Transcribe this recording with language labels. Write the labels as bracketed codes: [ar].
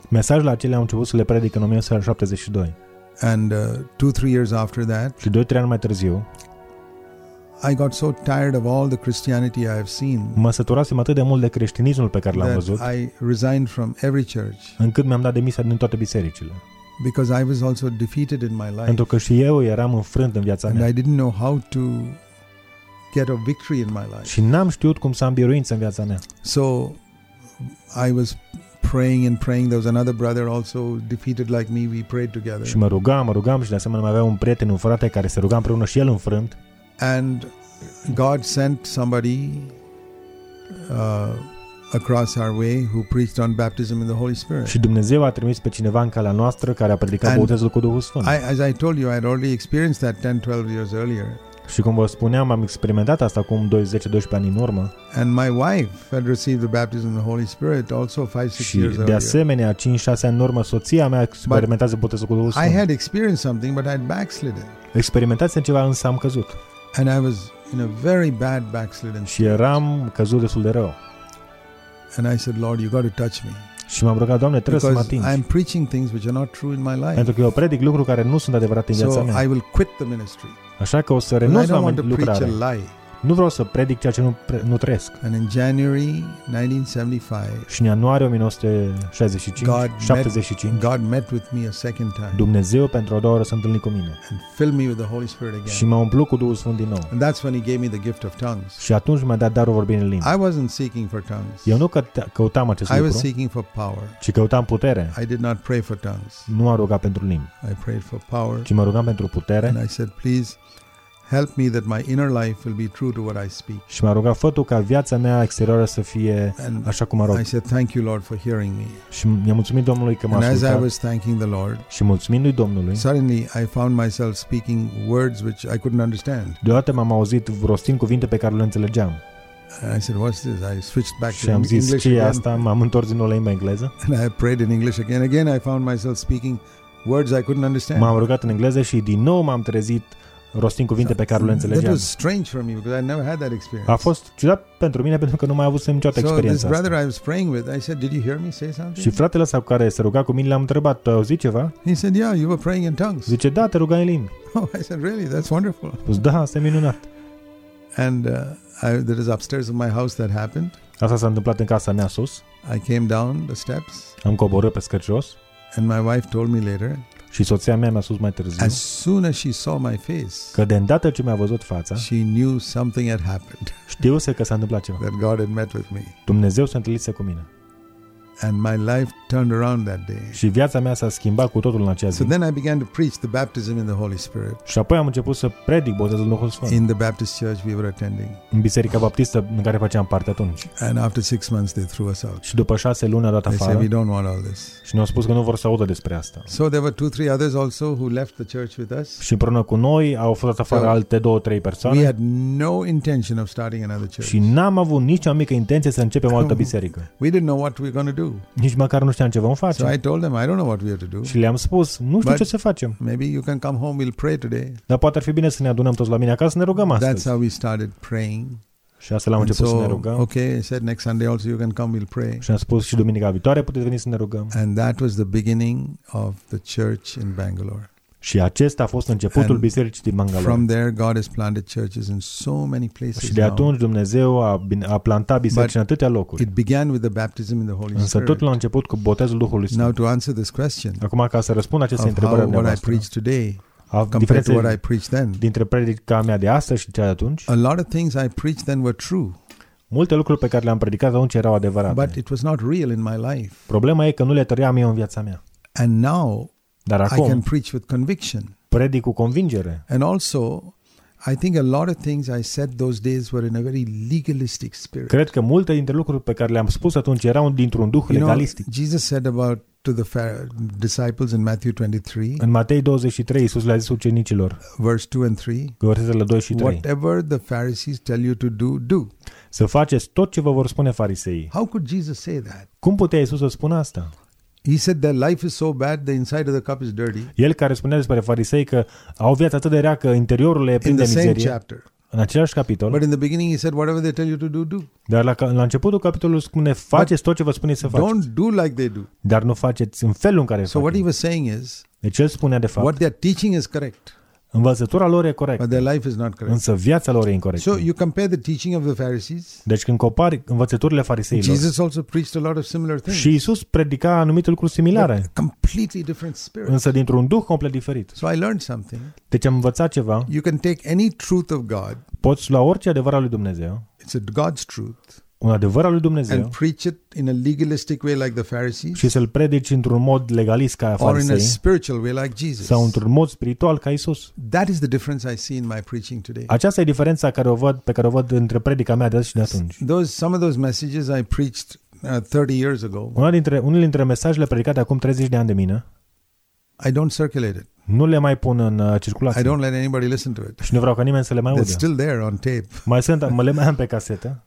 [ro] Mesajele acelea am început să le predic în 1972. [en] And 2-3 years after that. [ro] Și 2-3 ani mai târziu. [en] I got so tired of all the Christianity I have seen. [ro] Mă săturasem atât de mult de creștinismul pe care l-am văzut. [en] I resigned from every church. [ro] Încât mi-am dat demisia din toate bisericile. [en] Because I was also defeated in my life. [ro] Pentru că și eu eram înfrânt în viața mea. [en] And I didn't know how to get a victory in my life. [ro] Și n-am știut cum să am biruință în viața mea. [en] So I was praying and praying. There was another brother also defeated like me. We prayed together. [ro] Și mă rugam și de asemenea mai avea un prieten, un frate care se ruga împreună și el înfrânt. [en] And God sent somebody across our way who preached on baptism in the Holy Spirit. [ro] Și Dumnezeu a trimis pe cineva în calea noastră care a predicat botezul cu Duhul Sfânt. [en] As I told you, I had already experienced that 10-12 years earlier. [ro] Și cum vă spuneam, am experimentat asta acum 10-12 ani în urmă. [en] And my wife had received the baptism of the Holy Spirit also 5-6 years earlier. [ro] Și de asemenea, 5-6 ani în urmă, soția mea experimentase botezul cu Duhul Sfânt. [en] I had experienced something, but I had backslidden. [ro] Experimentase ceva, însă am căzut. [en] And I was in a very bad backslidden state. [ro] Și eram căzut destul de rău. [en] And I said, Lord, you got to touch me. [ro] Și m-am rugat, Doamne, trebuie să mă atingi. [en] I'm preaching things which are not true in my life. [ro] Pentru că eu predic lucruri care nu sunt adevărate în viața mea. [en] So I will quit the ministry. [ro] Așa că o să renunț la lucrare. Nu vreau să predic ceea ce nu trăiesc. [en] And in January 1975. [ro] Și în ianuarie 1975. [en] God met with me a second time. [ro] Dumnezeu pentru a doua oară s-a întâlnit cu mine. [en] And filled me with the Holy Spirit again. [ro] Și m-a umplut cu Duhul Sfânt din nou. [en] And that's when he gave me the gift of tongues. [ro] Și atunci mi-a dat darul vorbind în limbi. [en] I wasn't seeking for tongues. [ro] Eu nu căutam acest lucru. [en] I was seeking for power. [ro] Ci căutam putere. [en] I did not pray for tongues. [ro] Nu m-a rugat pentru limbi. [en] I prayed for power. [ro] Ci mă rugam pentru putere. [en] And I said, please help me that my inner life will be true to what I speak. [ro] Și m-a rugat fătul ca viața mea exterioară să fie așa cum mă rog. [en] And I said, thank you, Lord, for hearing me. [ro] Și mi-a mulțumit Domnului că m-a ascultat. [en] And as I was thanking the Lord, [ro] și mulțumindu-i Domnului, [en] suddenly I found myself speaking words which I couldn't understand. [ro] Deodată m-am auzit rostind cuvinte pe care le înțelegeam. [en] And I said, what's this? I switched back to [ro] Și am zis, ce e asta? M-am întors din nou la limba engleză. [en] And I prayed in English again. Again I found myself speaking words I couldn't understand. [ro] M-am rugat în engleză și din nou m-am trezit rostind cuvinte pe care le înțelegeam. [en] That was strange for me because I never had that experience. [ro] A fost ciudat pentru mine pentru că nu mai avusem niciodată experiența. [en] So this brother I was praying with, I said, did you hear me say something? [ro] Și fratele ăsta cu care se ruga cu mine, l-am întrebat, tu ai auzit ceva? [en] He said, yeah, you were praying in tongues. [ro] Zice, da, te rugai în limbi. [en] Oh, I said, really? That's wonderful. [ro] Pus, da, asta e minunat. [en] And there is upstairs of my house that happened. [ro] Asta s-a întâmplat în casa mea sus. [en] I came down the steps. [ro] Am coborât pe scări jos. [en] And my wife told me later. [ro] Și soția mea mi-a spus mai târziu. [en] As soon as she saw my face. [ro] Că de îndată ce mi-a văzut fața. [en] She knew something had happened. [ro] Știuse că s-a întâmplat ceva. [en] That God had met with me. [ro] Dumnezeu s-a întâlnit cu mine. [en] And my life turned around that day. [ro] Și viața mea s-a schimbat cu totul în acea zi. [en] So then I began to preach the baptism in the Holy Spirit. [ro] Și apoi am început să predic botezul Duhului Sfânt. [en] In the Baptist church we were attending. [ro] În biserica baptistă în care făceam parte atunci. [en] And after 6 months they threw us out. [ro] Și după 6 luni a dat afară. [en] They said we don't want all this. [ro] Și ne-au spus că nu vor să audă despre asta. [en] So there were 2-3 others also who left the church with us. [ro] Și împreună cu noi au fost afară alte 2-3 persoane. [en] We had no intention of starting another church. [ro] Și n-am avut nicio mică intenție să începem o altă biserică. [en] We didn't know what we were going to do. [ro] Nici măcar nu știam ce vom face. [en] So I told them, I don't know what we have to do. [ro] Și le-am spus, nu știu ce să facem. [en] Maybe you can come home, we'll pray today. [ro] Dar poate ar fi bine să ne adunăm toți la mine acasă, să ne rugăm astăzi. [en] That's how we started praying. [ro] Și astfel am început să ne rugăm. [en] Okay, I said next Sunday also you can come, we'll pray. [ro] Și am spus și duminica viitoare puteți veni să ne rugăm. [en] And that was the beginning of the church in Bangalore. [ro] Și acesta a fost începutul bisericii din Bangalore. [en] From there God has planted churches in so many places. [ro] Și de atunci Dumnezeu a plantat biserici în atâtea locuri. [en] It began with the baptism in the Holy Spirit. [ro] Însă totul a început cu botezul Duhului Sfânt. [en] Now to answer this question. [ro] Acum ca să răspund această întrebare a noastră. [en] What I preach today. Compared to what I preached then. [ro] Dintre predica mea de astăzi și cea de atunci. [en] A lot of things I preached then were true. [ro] Multe lucruri pe care le-am predicat atunci erau adevărate. [en] But it was not real in my life. [ro] Problema e că nu le trăiam eu în viața mea. [en] And now [ro] dar acum [en] I can preach with conviction. [ro] Predic cu convingere. [en] And also I think a lot of things I said those days were in a very legalistic spirit. [ro] Cred că multe dintre lucruri pe care le-am spus atunci erau dintr-un duh legalistic. [en] You know, Jesus said about to the disciples in Matthew 23. [ro] În Matei 23, Iisus le-a zis ucenicilor. [en] Verse 2 and 3. [ro] Versetele 2 și 3. [en] Whatever the Pharisees tell you to do, do. [ro] Să faceți tot ce vă vor spune fariseii. [en] How could Jesus say that? [ro] Cum putea Iisus să spună asta? [en] He said their life is so bad the inside of the cup is dirty. [ro] El care spunea despre farisei că au viața atât de rea că interiorul le e plin de mizerie. În același capitol. [en] But in the beginning he said whatever they tell you to do, do. [ro] Dar la începutul capitolului spune faceți tot ce vă spune să faceți. [en] Don't do like they do. [ro] Dar nu faceți în felul în care fac. [en] So what he was saying is. [ro] Deci el spunea de fapt. [en] What they're teaching is correct. [ro] Învățătura lor e corectă. [en] But their life is not correct. [ro] Însă viața lor e incorrectă. [en] So you compare the teaching of the Pharisees. [ro] Deci când compari învățăturile fariseilor. [en] Jesus also preached a lot of similar things. [ro] Și Iisus predica anumite lucruri similare. [en] Completely different spirit. [ro] Însă dintr-un duh complet diferit. [en] So I learned something. [ro] Deci am învățat ceva. [en] You can take any truth of God. [ro] Poți lua orice adevăr al lui Dumnezeu. [en] It's a God's truth. [ro] Un adevăr al lui Dumnezeu. [en] And preach it in a legalistic way like the Pharisees. [ro] Și să-l predici într-un mod legalist ca farisei. [en] Or in a spiritual way like Jesus. [ro] Sau într-un mod spiritual ca Isus. [en] That is the difference I see in my preaching today. [ro] Aceasta e diferența care o văd, pe care o văd între predica mea de azi și de atunci. [en] Some of those messages I preached 30 years ago. [ro] Unul dintre mesajele predicate acum 30 de ani de mine. [en] I don't circulate it. [ro] Nu le mai pun în circulație. [en] I don't let anybody listen to it. [ro] Și nu vreau ca nimeni să le mai audă. [en] It's still there on tape. [ro] Mai sunt, le mai am pe casetă.